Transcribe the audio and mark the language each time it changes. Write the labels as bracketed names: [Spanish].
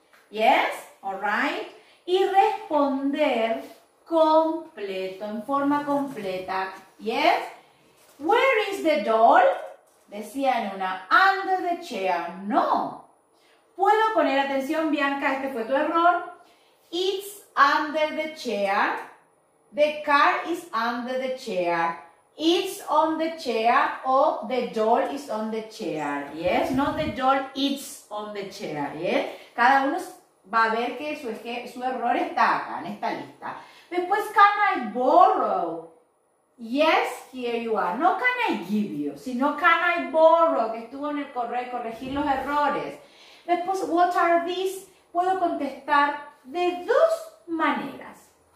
[English] Yes, all right. [Spanish] Y responder completo, en forma completa. Yes. [English] Where is the doll? [Spanish] Decía en una, [English] under the chair. No. [Spanish] Puedo poner atención, Bianca, este fue tu error. [English] It's under the chair. The car is under the chair. It's on the chair o the doll is on the chair. Yes. No, the doll, it's on the chair. Yes. [Spanish] Cada uno va a ver que su error está acá, en esta lista. [English] Después, can I borrow? Yes, here you are. [Spanish] No [English] can I give you, [Spanish] sino [English] can I borrow, [Spanish] que estuvo en el correo, corregir los errores. Después, [English] what are these? [Spanish] Puedo contestar de dos maneras.